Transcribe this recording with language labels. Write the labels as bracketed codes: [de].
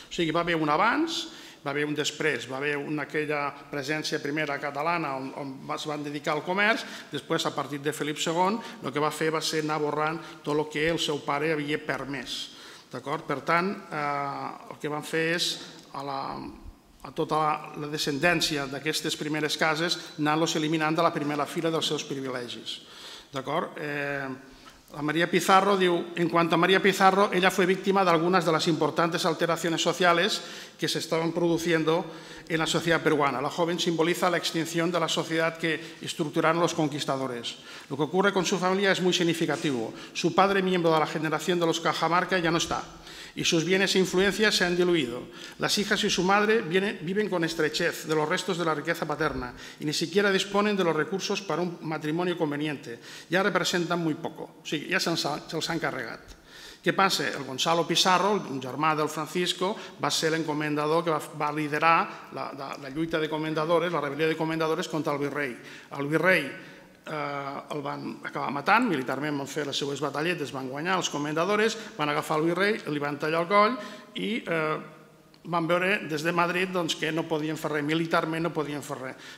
[ca] O sigui, va haver un abans, va haver un després, va haver una aquella presència primera catalana on es van dedicar al comerç, després a partir de Felip II el que va fer va ser anar borrant tot el que el seu pare havia permès. D'acord? Per tant, el que van fer és a tota la descendència d'aquestes primeres cases anar-los eliminant de la primera fila dels seus privilegis. D'acord? [es] La María Pizarro diu, en cuanto a María Pizarro, ella fue víctima de algunas de las importantes alteraciones sociales que se estaban produciendo en la sociedad peruana. La joven simboliza la extinción de la sociedad que estructuraron los conquistadores. Lo que ocurre con su familia es muy significativo. Su padre, miembro de la generación de los Cajamarca, ya no está. Y sus bienes e influencias se han diluido. Las hijas y su madre viven con estrechez de los restos de la riqueza paterna y ni siquiera disponen de los recursos para un matrimonio conveniente. Ya representan muy poco. [ca] O sigui, ja se'ls han carregat. Què passa? El Gonzalo Pizarro, un germà del Francisco, va ser l'encomendador que va liderar la lluita de comendadores, la rebel·lió de comendadores contra el virrei. El virrei el van acabar matant, militarment van fer les seues batalletes, van guanyar els comendadores, van agafar el virrei, li van tallar el coll i van veure des de Madrid doncs, que no podien fer res, militarment no podien fer res.